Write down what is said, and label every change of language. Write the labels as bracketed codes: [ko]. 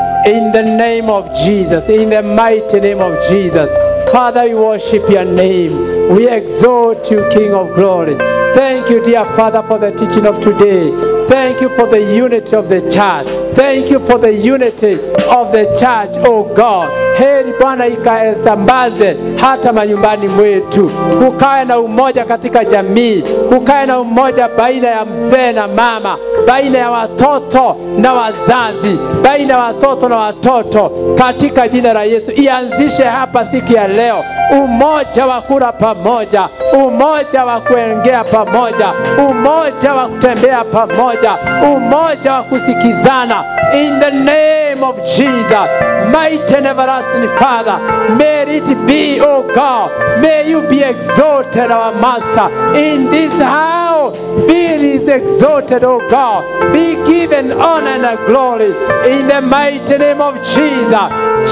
[en] In the name of Jesus, in the mighty name of Jesus, Father, we worship your name. We exalt you, King of glory. Thank you, dear Father, for the teaching of today. Thank you for the unity of the church. Thank you for the unity of the church, oh God. [sw] Heri Bwana ikaesambaze hata manyumbani mwetu. Kukae na umoja katika jamii. Kukae na umoja baina ya mzee na mama, baina ya watoto na wazazi, baina ya watoto na watoto, katika jina la Yesu. Ianzishe hapa siku ya leo umoja wa kula pamoja, umoja wa kuongea pamoja, umoja wa kutembea pamoja, umoja wa kusikizana. [en] In the name of Jesus, mighty and everlasting Father, may it be, oh God, may you be exalted, our Master, in this house. Be is exalted, oh God, be given honor and glory in the mighty name of Jesus.